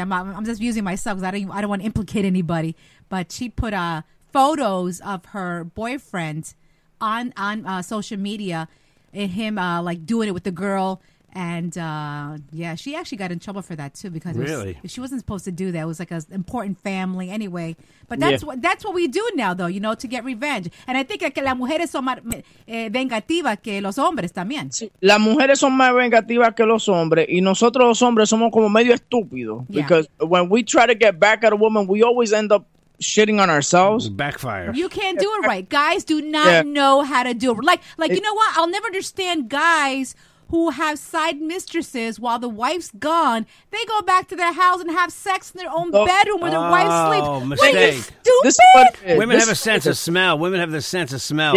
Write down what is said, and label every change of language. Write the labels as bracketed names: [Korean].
[English] I'm just using myself because I don't want to implicate anybody. But she put photos of her boyfriend on social media. And him doing it with the girl, and she actually got in trouble for that too because she wasn't supposed to do that. It was like an important family anyway. But that's what we do now, though, you know, to get revenge. And I think [Spanish] que las mujeres son más vengativas que los hombres también. Las mujeres son más vengativas que los hombres, y nosotros los hombres somos como medio estúpidos [English] because when we try to get back at a woman, we always end up shitting on ourselves. Backfire. You can't do it right. Guys do not know how to do it. Like you know what? I'll never understand guys who have side mistresses while the wife's gone. They go back to their house and have sex in their own bedroom where their wife sleeps. Oh, mistake. What, you stupid? Women have a sense of smell. Women have the sense of smell.